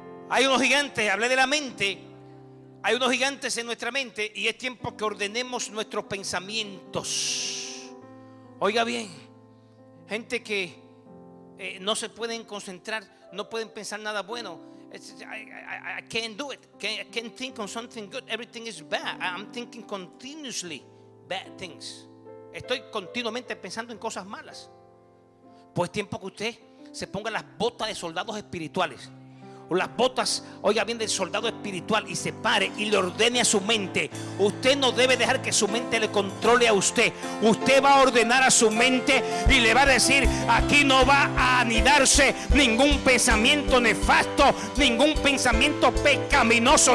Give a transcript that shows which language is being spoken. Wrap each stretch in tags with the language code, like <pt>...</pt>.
<es>Hay unos gigantes. Hablé de la mente. Hay unos gigantes en nuestra mente. Y es tiempo que ordenemos nuestros pensamientos. Oiga bien, gente que no se pueden concentrar, no pueden pensar nada bueno.</es> <en>I can't do it. I can't think on something good. Everything is bad. I'm thinking continuously bad things.</en> <es>Estoy continuamente pensando en cosas malas. Pues tiempo que usted se ponga las botas de soldados espirituales, o las botas, oiga bien, del soldado espiritual, y se pare y le ordene a su mente. Usted no debe dejar que su mente le controle a usted. Usted va a ordenar a su mente y le va a decir: aquí no va a anidarse ningún pensamiento nefasto, ningún pensamiento pecaminoso.</es>